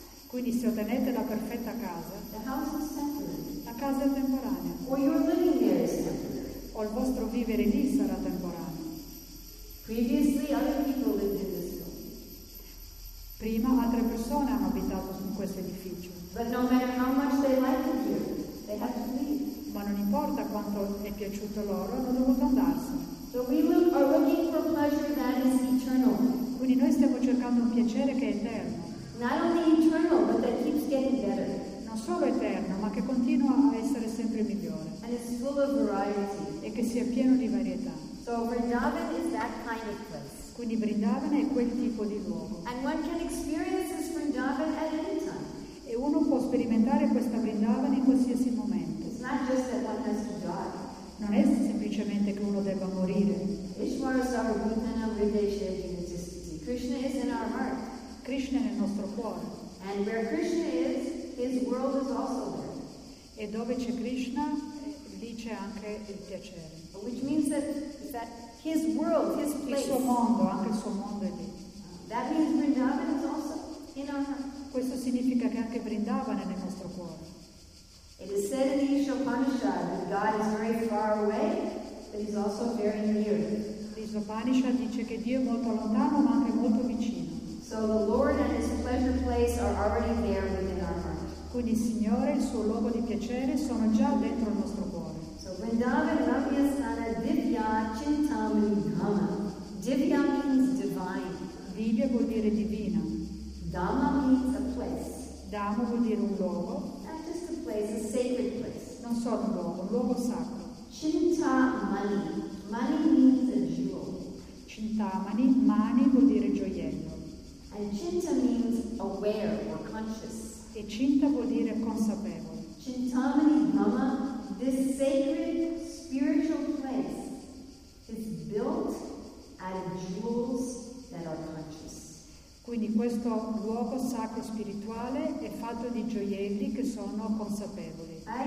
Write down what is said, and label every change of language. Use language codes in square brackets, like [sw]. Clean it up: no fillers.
[it] quindi se ottenete la perfetta casa, [en] the house is temporary. [it] La casa è temporanea. [en] Or your living there is temporary. [it] O il vostro vivere lì sarà temporaneo. [en] Previously, other people lived in this building. [it] Prima altre persone hanno abitato in questo edificio. [en] But no matter how much they liked it here, they had to leave. [it] Ma non importa quanto è piaciuto loro, hanno dovuto andarsene. [en] So we are looking for pleasure that is eternal. [it] Quindi noi stiamo cercando un piacere che è eterno. [en] Not only eternal, but that keeps getting better. [it] Non solo eterno, ma che continua a essere sempre migliore. [en] And it's full of variety. [it] E che sia pieno di varietà. [en] So Vrindavan is that kind of place. [it] Quindi Vrindavan è quel tipo di luogo. [en] And one can experience this Vrindavan at any time. [it] E uno può sperimentare questa Vrindavan in qualsiasi momento. [en] It's not just that one has to die. [it] Non è semplicemente che uno debba morire. [en] Krishna is in our heart. [it] Krishna è nel nostro cuore. [en] And where Krishna is, his world is also there. [it] E dove c'è Krishna, lì c'è anche il piacere. [en] Which means that his world, his place. [it] Il suo mondo, anche il suo mondo è lì. [en] That means Vrindavan is also in our heart. [it] Questo significa che anche Vrindavan è nel nostro cuore. [en] It is said in the Isha Upanishad that God is very far away, but he's also very near. [it] L'Isha Upanishad dice che Dio è molto lontano, ma anche molto vicino. [en] So the Lord and his pleasure place are already there within our heart. [it] Quindi il Signore e il suo luogo di piacere sono già dentro il nostro cuore. [sa] So Vrindavan Ramya Sthana Divya Chintamani Dhamma. [en] Divya means divine. [it] Divya vuol dire divina. [en] Dhamma means a place. [it] Dhamma vuol dire un luogo. [en] Place, a sacred place. [it] Non solo un luogo sacro. [en] Chintamani. Mani means a jewel. [it] Chintamani, mani vuol dire gioiello. [en] And chinta means aware or conscious. [it] E chinta vuol dire consapevole. [en] Chintamani Dhamma, this sacred spiritual place, is built out of jewels that are conscious. [it] Quindi questo luogo sacro spirituale è fatto di gioielli che sono consapevoli.